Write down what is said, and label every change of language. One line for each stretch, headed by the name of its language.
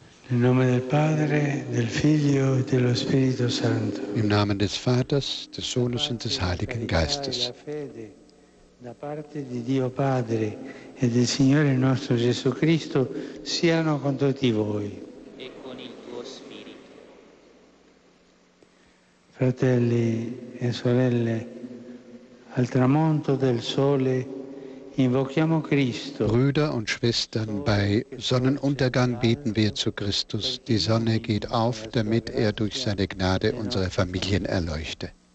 German: Im Namen des Vaters, des
Italian: Figlio e dello Spirito Santo.
German: Im Namen des Vaters, des Sohnes und des Heiligen Geistes.
Italian: Da parte di Dio Padre e del Signore nostro Gesù Cristo siano con tutti voi. E con il tuo spirito. Fratelli e sorelle, al tramonto del sole invochiamo Cristo.
German: Brüder und Schwestern, bei Sonnenuntergang beten wir zu Christus. Die Sonne geht auf, damit er durch seine Gnade unsere Familien erleuchte.